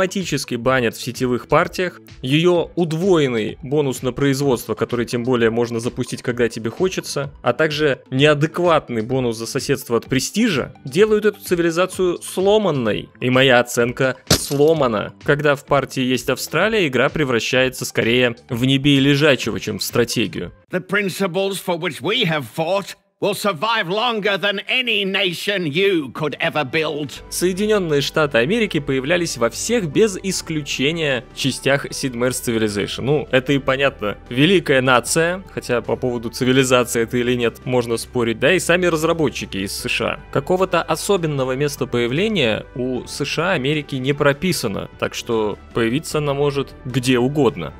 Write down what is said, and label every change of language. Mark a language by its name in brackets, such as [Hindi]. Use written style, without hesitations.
[Russian] автоматически банят в сетевых партиях. Ее удвоенный бонус на производство, который тем более можно запустить, когда тебе хочется, а также неадекватный бонус за соседство от престижа, делают эту цивилизацию сломанной. И моя оценка сломана. Когда в партии есть Австралия, игра превращается скорее в небе и лежачего, чем в стратегию. [English] The principles for which we have fought will survive longer than any nation you could ever build. [Russian] Соединенные Штаты Америки появлялись во всех без исключения частях Sid Meier's Civilization. Ну, это и понятно. Великая нация, хотя по поводу цивилизации это или нет, можно спорить, да, и сами разработчики из США. Какого-то особенного места появления у США Америки не прописано, так что появиться она может где угодно.